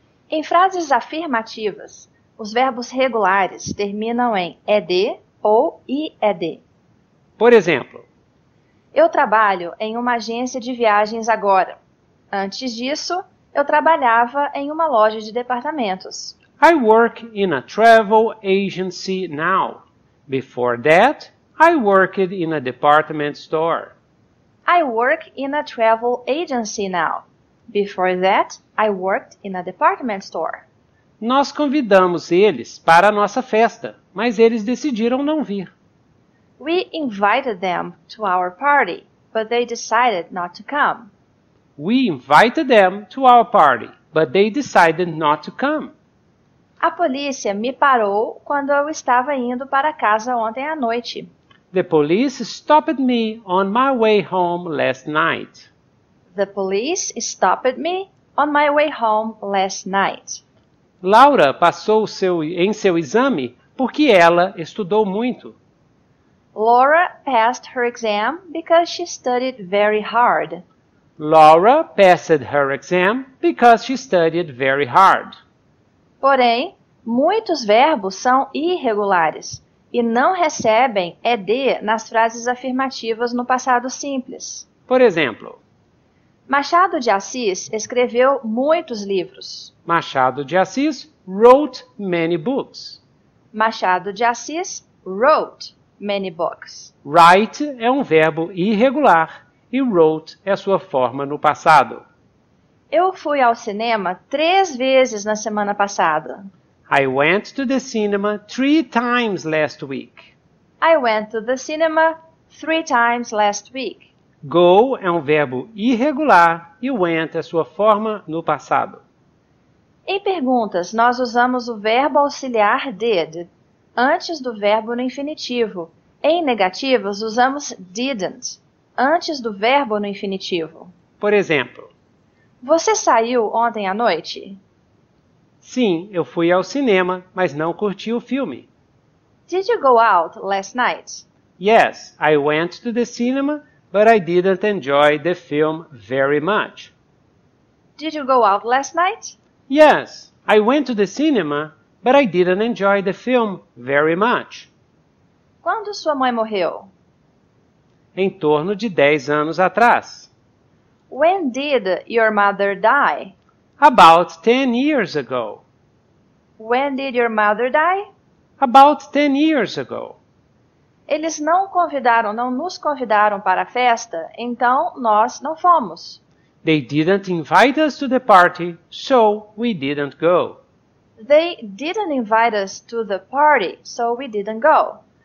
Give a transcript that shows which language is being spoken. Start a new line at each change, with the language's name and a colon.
Portuguese: Em frases afirmativas, os verbos regulares terminam em ED ou IED. Por exemplo, eu trabalho em uma agência de viagens agora. Antes disso, eu trabalhava em uma loja de departamentos.
English: I work in a travel agency now. Before that, I worked in a department store. I work in a travel agency now. Before that, I worked in a department store.
Portuguese: Nós convidamos eles para a nossa festa, mas eles decidiram não vir.
English: We invited them to our party, but they decided not to come. We invited them to our party, but they decided not to come.
Portuguese: A polícia me parou quando eu estava indo para casa ontem à noite.
English: The police stopped me on my way home last night. The police stopped me on my way home last night.
Portuguese: Laura passou seu exame porque ela estudou muito.
English: Laura passed her exam because she studied very hard. Laura passed her exam because she studied very hard.
Portuguese: Porém, muitos verbos são irregulares e não recebem ED nas frases afirmativas no passado simples. Por exemplo, Machado de Assis escreveu muitos livros.
English: Machado de Assis wrote many books. Machado de Assis wrote many books.
Portuguese: Write é um verbo irregular e wrote é sua forma no passado. Eu fui ao cinema 3 vezes na semana passada.
English: I went to the cinema 3 times last week. I went to the cinema 3 times last week.
Portuguese: Go é um verbo irregular e went é sua forma no passado. Em perguntas, nós usamos o verbo auxiliar did antes do verbo no infinitivo. Em negativas, usamos didn't antes do verbo no infinitivo. Por exemplo, você saiu ontem à noite? Sim, eu fui ao cinema, mas não curti o filme.
English: Did you go out last night? Yes, I went to the cinema, but I didn't enjoy the film very much. Did you go out last night? Yes, I went to the cinema, but I didn't enjoy the film very much.
Portuguese: Quando sua mãe morreu? Em torno de 10 anos atrás.
English: When did your mother die? About 10 years ago. When did your mother die? About 10 years ago.
Portuguese: eles não convidaram, não nos convidaram para a festa, então nós não fomos.
English: They didn't invite us to the party, so we didn't go. They didn't invite us to the party, so we didn't go.